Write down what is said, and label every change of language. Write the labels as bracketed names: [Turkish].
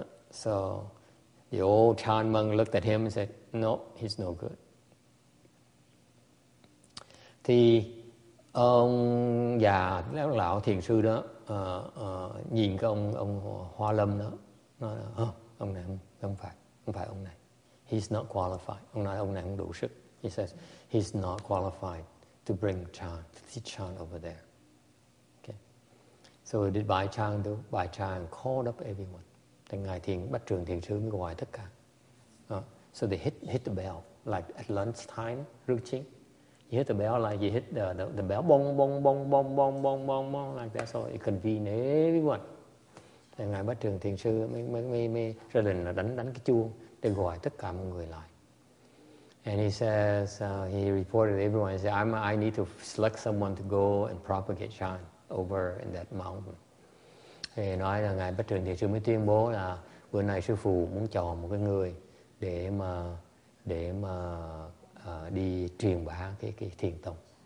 [English] So the old Chan monk looked at him and said, "No, he's no good." [Vietnamese] Thì ông già lão thiền sư đó nhìn cái ông Hoa Lâm đó, nói là, ông này không phải ông này. [English] He's not qualified. [Vietnamese] Ông nói ông này không đủ sức. [English] He says he's not qualified to bring Chan, to teach Chan over there. Okay. So did Bai Chang do? Bai Chang called up everyone. [Vietnamese] Thành ngài thiền bắt trường thiền sư mới gọi tất cả. [English] So they hit the bell like at lunch time routine. You hit the bell like you hit the bell bong bong bong bong bong bong bong bong like that, so it convene everyone. [Vietnamese] Thành ngài bắt trường thiền sư mới ra lệnh là đánh cái chuông để gọi tất cả mọi người lại. [English] And he says he reported to everyone. He said, "I need to select someone to go and propagate Chan over in that mountain." [Vietnamese] Thì nói là ngài bắt trường thiền sư mới tuyên bố là bữa nay sư phụ muốn chọn một cái người để mà đi truyền bá cái thiền tông.